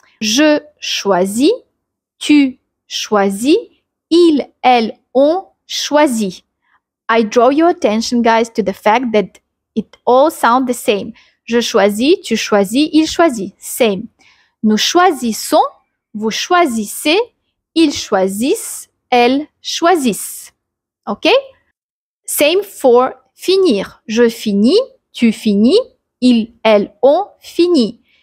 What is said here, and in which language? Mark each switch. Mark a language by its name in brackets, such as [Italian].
[French] Je choisis, tu choisis, ils, elles ont choisi. [English] I draw your attention, guys, to the fact that it all sounds the same. [French] Je choisis, tu choisis, il choisit. [English] Same. [French] Nous choisissons, vous choisissez, ils choisissent, elles choisissent. OK? [English] Same for [French] finir. Je finis, tu finis, ils, elles ont fini.